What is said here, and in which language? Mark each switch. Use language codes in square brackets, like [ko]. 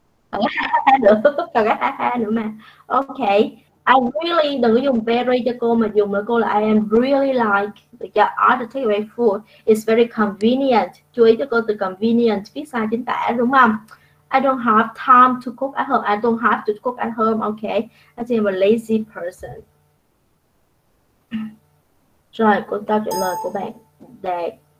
[vi] Còn cái ha ha nữa mà. Ok, [en] I really, [vi] đừng có dùng very cho cô mà dùng là cô là [en] I am really like, [vi] được chưa? [en] All the takeaway food is very convenient. [vi] Chú ý cho cô từ convenient, viết sai chính tả đúng không? [en] I don't have time to cook at home. I don't have to cook at home. Okay, I think I'm a lazy person. [vi] Rồi, cô trả lời của bạn Đạt.